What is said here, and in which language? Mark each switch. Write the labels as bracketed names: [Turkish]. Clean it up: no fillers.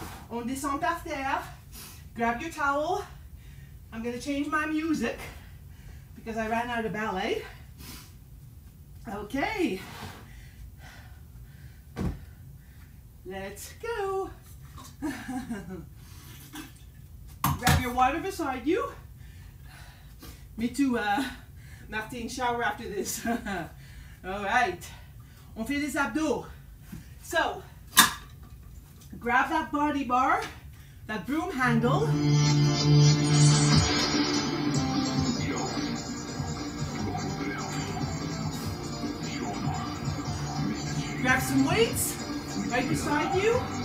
[French] On descend par terre. [English] Grab your towel. I'm gonna change my music because I ran out of ballet. Okay. Let's go. grab your water beside you. Me too, Martine, shower after this. All right, [French] on fait les abdos. [English] So, grab that body bar, that broom handle. Grab some weights right beside you.